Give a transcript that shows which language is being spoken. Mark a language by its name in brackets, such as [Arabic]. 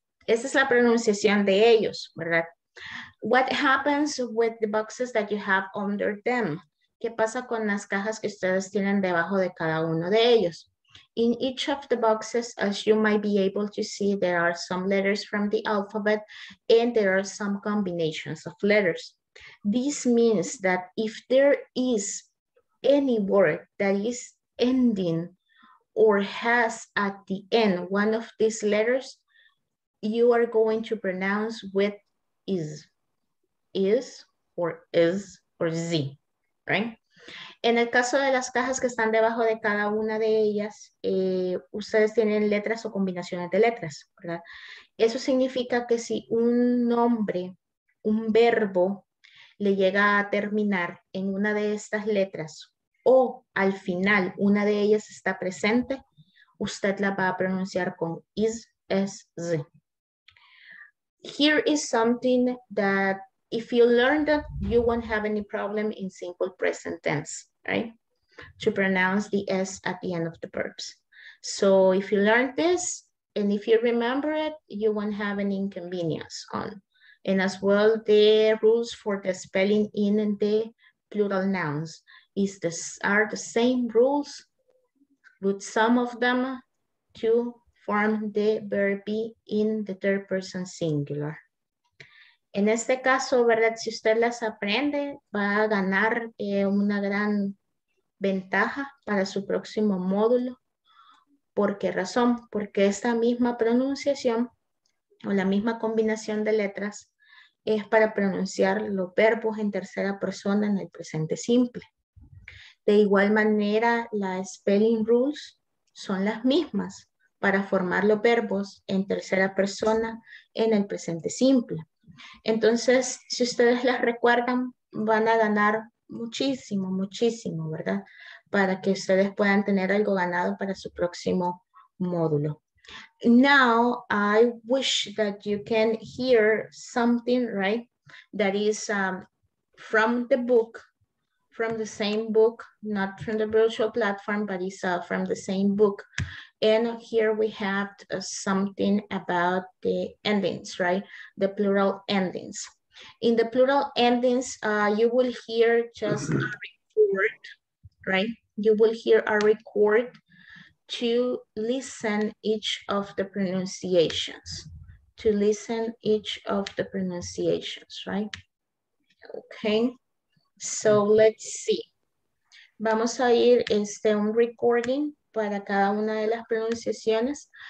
[Spanish] Esa es la pronunciación de ellos, ¿verdad? [English] What happens with the boxes that you have under them? [Spanish] ¿Qué pasa con las cajas que ustedes tienen debajo de cada uno de ellos? [English] In each of the boxes, as you might be able to see, there are some letters from the alphabet and there are some combinations of letters. This means that if there is any word that is ending or has at the end one of these letters, you are going to pronounce with is or is or z. Right. [Spanish] En el caso de las cajas que están debajo de cada una de ellas, ustedes tienen letras o combinaciones de letras, ¿verdad? Eso significa que si un nombre, un verbo, le llega a terminar en una de estas letras o al final una de ellas está presente, usted la va a pronunciar con is, es, z. [English] Here is something that if you learn that, you won't have any problem in simple present tense, right? To pronounce the S at the end of the verbs. So if you learn this, and if you remember it, you won't have any inconvenience on. And as well, the rules for the spelling in and the plural nouns is this, are the same rules with some of them to form the verb be in the third person singular. [Spanish] En este caso, ¿verdad? Si usted las aprende, va a ganar una gran ventaja para su próximo módulo. ¿Por qué razón? Porque esta misma pronunciación o la misma combinación de letras es para pronunciar los verbos en tercera persona en el presente simple. De igual manera, las spelling rules son las mismas para formar los verbos en tercera persona en el presente simple. Entonces, si ustedes las recuerdan, van a ganar muchísimo, muchísimo, ¿verdad? Para que ustedes puedan tener algo ganado para su próximo módulo. [English] Now, I wish that you can hear something, right? That is from the book, from the same book, not from the virtual platform, but it's from the same book. And here we have something about the endings, right? The plural endings. In the plural endings, you will hear just a record, right? You will hear a record to listen each of the pronunciations, to listen each of the pronunciations, right? Okay, so let's see. [Spanish] Vamos a ir un recording para cada una de las pronunciaciones.